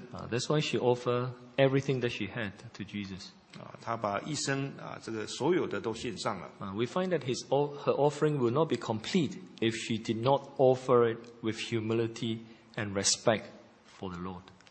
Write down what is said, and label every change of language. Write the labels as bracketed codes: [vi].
[en] That's why she offered everything that she had to Jesus. [zh] 他把一生这个所有的都献上了。 [en] We find that her offering will not be complete if she did not offer it with humility and respect for the Lord.